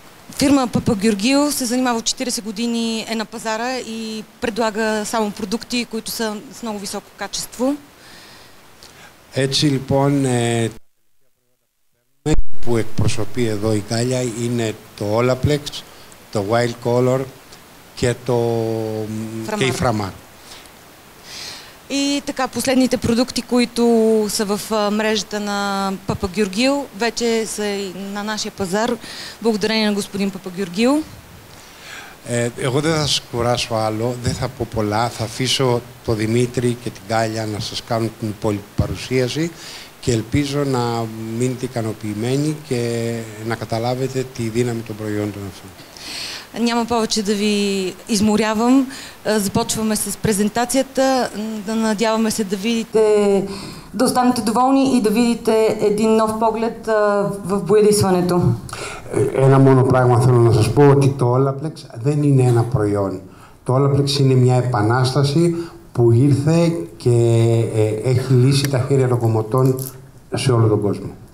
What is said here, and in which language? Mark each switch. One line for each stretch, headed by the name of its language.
Bulgarian: Фирма Папагеоргиу се занимава от 40 години е на пазара и предлага само продукти, които са с много високо качество.
Greek: Έτσι λοιπόν, που εκπροσωπεί εδώ η Γκάλια είναι το Olaplex, το Wild Color και το Framar.
Bulgarian: И така, последните продукти, които са в мрежата на Папагеоргиу, вече са и на нашия пазар, благодарение на господин Папагеоргиу.
Greek: Εγώ δεν θα σας κουράσω άλλο, δεν θα πω πολλά. Θα αφήσω τον Δημήτρη και την Γκάλια να σας κάνουν την υπόλοιπη παρουσίαση και ελπίζω να μείνετε ικανοποιημένοι και να καταλάβετε τη δύναμη των προϊόντων αυτών.
Bulgarian: Няма повече да ви изморявам. Започваме с презентацията. Да надяваме се да видите, да останете доволни и да видите един нов поглед в боядисването.
Greek: Ένα μόνο πράγμα θέλω να σας πω, ότι το Olaplex δεν είναι ένα προϊόν. Το Olaplex είναι μια επανάσταση που ήρθε και έχει λύσει τα χέρια λογομοτών σε όλο τον κόσμο.